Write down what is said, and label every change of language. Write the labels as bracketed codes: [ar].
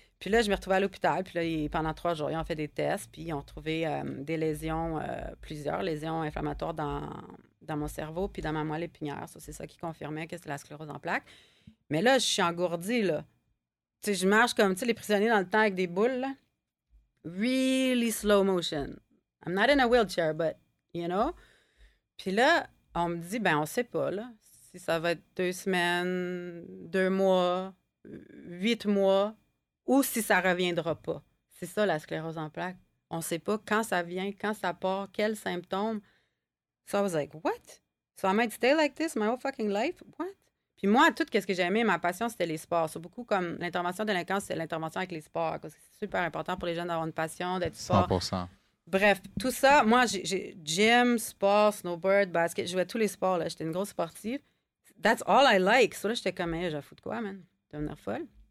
[fr] Puis là, je me retrouvais à l'hôpital. Puis là, pendant 3 jours, ils ont fait des tests. Puis ils ont trouvé des lésions, plusieurs lésions inflammatoires dans mon cerveau puis dans ma moelle épinière. So, c'est ça qui confirmait que c'était la sclérose en plaques. Mais là, je suis engourdie, là. Tu sais, je marche comme les prisonniers dans le temps avec des boules, là. [en] Really slow motion. I'm not in a wheelchair, but, you know. [fr] Puis là, on me dit « ben, on sait pas, là. » Ça va être 2 semaines, 2 mois, 8 mois, ou si ça reviendra pas. C'est ça, la sclérose en plaques. On sait pas quand ça vient, quand ça part, quels symptômes. [en] So I was like, what? So I might stay like this my whole fucking life? What? [fr] Puis moi, tout ce que j'ai aimé, ma passion, c'était les sports. C'est beaucoup comme l'intervention de délinquance, c'est l'intervention avec les sports. Parce que c'est super important pour les jeunes d'avoir une passion, d'être sport. 100%. Bref, tout ça, moi, j'ai gym, sport, snowboard, basket, je jouais tous les sports, là. J'étais une grosse sportive. [en] That's all I like. [fr] So là, j'étais comme, hey, je vais foutre quoi, man? Devenir folle.